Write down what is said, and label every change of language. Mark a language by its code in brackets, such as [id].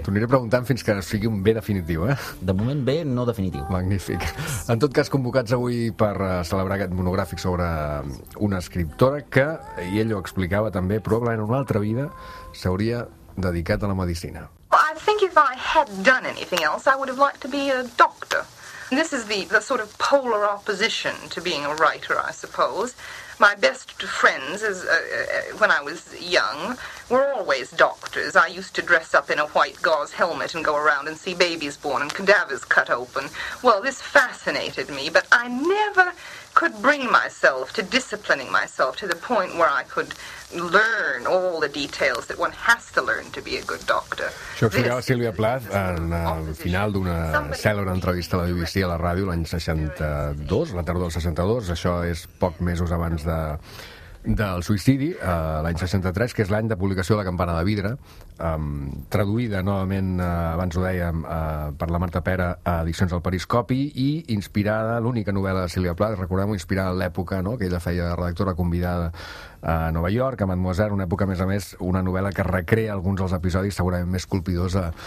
[ca] T'ho aniré preguntant fins que sigui un bé definitiu, eh? De moment, bé, no definitiu. Magnífic. En tot cas, convocats avui per celebrar aquest monogràfic sobre una escriptora que, i ell ho explicava també, probablement en una altra vida s'hauria dedicat a la medicina. [en] I think if I had done anything else, I would have liked to be a doctor. This is the sort of polar opposition to being a writer, I suppose. My best friends, when I was young, were always doctors. I used to dress up in a white gauze helmet and go around and see babies born and cadavers cut open. Well, this fascinated me, but I never could bring myself to disciplining myself to the point where I could learn all the details that one has to learn to be a good doctor. [ca] Això explicava Sílvia Plath en el final d'una cèlebre entrevista a la BBC a la ràdio l'any 62, la tardor del 62. Això és poc mesos abans del suïcidi, l'any 63, que és l'any de publicació de La campana de vidre, traduïda novament, abans ho dèiem, per la Marta Pera a Edicions del Periscopi, i inspirada, l'única novel·la de Sílvia Plath, recordem-ho, inspirada a l'època, no?, que ella feia de redactora convidada a Nova York, a Mademoiselle, una època, a més, una novel·la que recrea alguns dels episodis segurament més colpidors